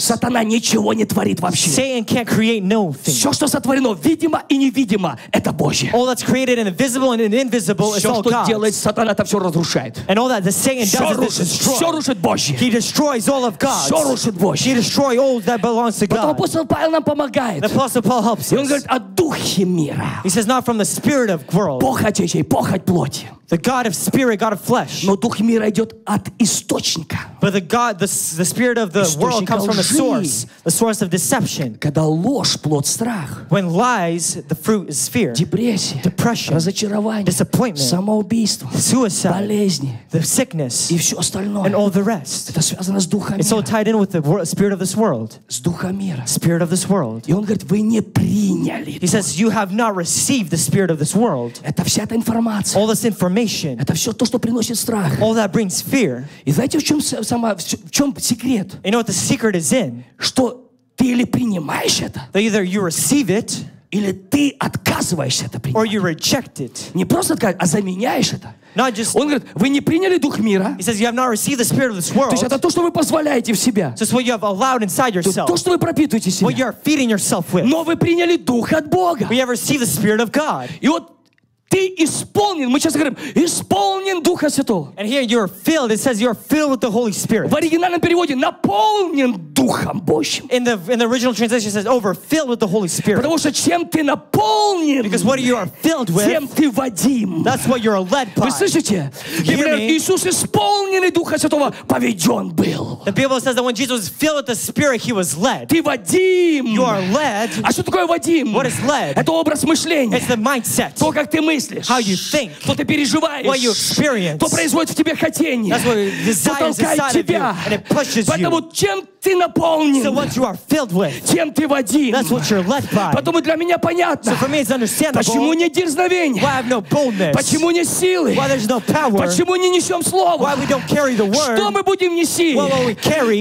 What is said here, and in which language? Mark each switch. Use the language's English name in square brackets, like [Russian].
[Russian] Сатана ничего не творит вообще. [English] Satan can't create no thing. [Russian] Все, что сотворено, видимо и невидимо, это Божье. [English] All that's created in the visible and in the invisible is all God. [Russian] Все, что делает Сатана, это все разрушает. [English] And all that the Satan does is destroy. [Russian] Все рушит Божье. [English] He destroys all of God. [Russian] Все рушит Божье. [English] He destroys all that belongs to God. [Russian] Потом апостол Павел нам помогает. [English] The apostle Paul helps us. [Russian] И он говорит о духе мира. [English] He says not from the spirit of world. [Russian] Похоть ей, похоть плоти. [English] The God of spirit, God of flesh. [Russian] Но дух мира идет от источника. [English] But the spirit of the world comes from the source of deception. [Russian] Когда ложь, плод страх. [English] When lies, the fruit is fear. [Russian] Депрессия. [English] Depression. [Russian] Разочарование. [English] Disappointment. [Russian] Самоубийство. [English] Suicide. [Russian] Болезни. [English] The sickness. [Russian] И все остальное. [English] And all the rest. [Russian] Это связано с духом мира. [English] It's all tied in with the spirit of this world. [Russian] С духом мира. [English] Spirit of this world. [Russian] И он говорит, вы не приняли. [English] He says, you have not received the spirit of this world. [Russian] Это вся эта информация. [English] All this information. [Russian] Это все то, что приносит страх. [English] All that brings fear. [Russian] И знаете, в чем секрет? [English] You know what the secret is in? [Russian] Что ты или принимаешь это? [English] That either you receive it. [Russian] Или ты отказываешься это принимать. [English] Or you reject it. [Russian] Не просто отказываешь, а заменяешь это. [English] Not just, [Russian] Он говорит, вы не приняли Дух мира. [English] He says, you have not received the spirit of this world. [Russian] То есть это то, что вы позволяете в себя. [English] So it's what you have allowed inside yourself. [Russian] То, что вы пропитываете себя. [English] What you are feeding yourself with. [Russian] Но вы приняли Дух от Бога. [English] We have received the spirit of God. [Russian] И вот Ты исполнен. Мы сейчас говорим, исполнен Духа Святого. [English] And here you're filled. It says you're filled with the Holy Spirit. [Russian] В оригинальном переводе наполнен Духом Божьим. [English] In the original translation it says overfilled with the Holy Spirit. [Russian] Потому что чем ты наполнен? [English] Because what you are filled with. [Russian] Тем ты водим. [English] That's what you're led by. [Russian] Вы слышите? Иисус исполненный Духа Святого поведен был. [English] The Bible says that when Jesus was filled with the Spirit, he was led. [Russian] Ты водим. [English] You are led. [Russian] А что такое водим? [English] What is led? [Russian] Это образ мышления. [English] It's the mindset. [Russian] То, как ты мыслишь. [English] How you think? [Russian] Что ты переживаешь? [English] What you experience? [Russian] Что производит в тебе хотение? [English] That's what desires inside of you, and it pushes you. [Russian] Поэтому чем ты наполнен? [English] So what you are filled with? [Russian] Чем ты водим? [English] That's what you're led by. [Russian] Потому для меня понятно. [English] So for me it's understandable. [Russian] Почему нет дерзновения? [English] Why I have no boldness? [Russian] Почему нет силы? [English] Why there's no power? [Russian] Почему не несем слово? [English] Why we don't carry the word? [Russian] Что мы будем нести? [English] What will we carry?